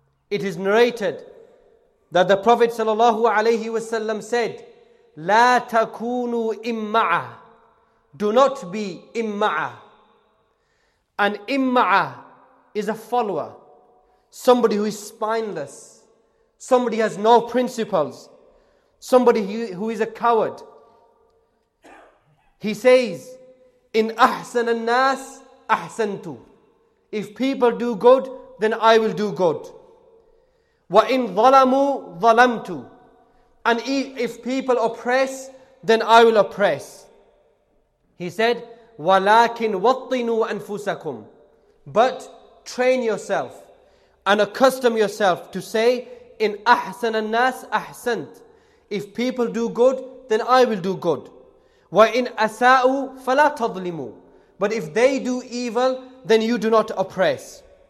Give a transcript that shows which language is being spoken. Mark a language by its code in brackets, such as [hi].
[en] It is narrated that the Prophet sallallahu alayhi wasallam said, [ar] لا تكونوا إمعة. [en] Do not be إمعة. An إمعة is a follower, somebody who is spineless, somebody who has no principles, somebody who is a coward. He says, [ar] إن أحسن الناس أحسنت. [en] If people do good, then I will do good. [ar] وَإِنْ ظَلَمُوا ظَلَمْتُ. [en] And if people oppress, then I will oppress. He said, [ar] وَلَكِنْ وَطِّنُوا أَنفُسَكُمْ. [en] But train yourself and accustom yourself to say, [ar] إِنْ أَحْسَنَ النَّاسِ أَحْسَنْتُ. [en] If people do good, then I will do good. [ar] وَإِنْ أَسَاءُوا فَلَا تَظْلِمُوا. [en] But if they do evil, then you do not oppress.